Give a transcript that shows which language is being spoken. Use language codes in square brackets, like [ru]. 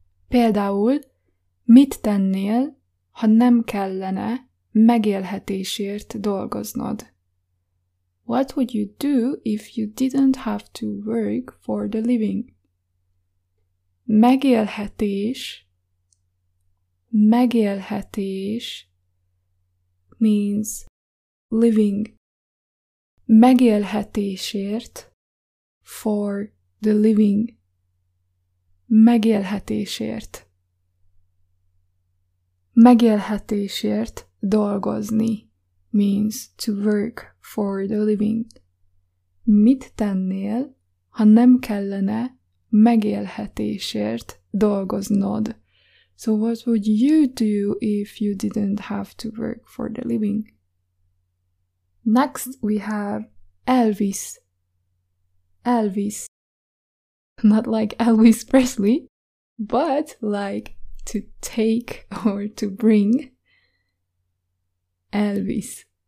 [hu] Például, mit tennél, ha nem kellene megélhetésért dolgoznod? [en] What would you do if you didn't have to work for the living? Megélhetés. Megélhetés means living. Megélhetésért, for the living. [hu] Megélhetésért. Megélhetésért dolgozni [en] means to work for the living. [hu] Mit tennél, ha nem kellene megélhetésért dolgoznod? [en] So what would you do if you didn't have to work for the living? Next we have Elvis. Elvis. Not like Elvis Presley, but like to take or to bring. Elvis.